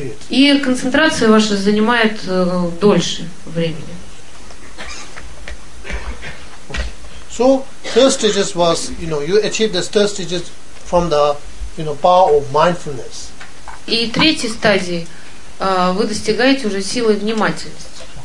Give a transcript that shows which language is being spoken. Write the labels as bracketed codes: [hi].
[ru] И концентрация ваша занимает дольше времени. [en] So third stages was, you know, you achieve the third stages from the, you know, power of mindfulness. [ru] И третьей стадии вы достигаете уже силы внимательности.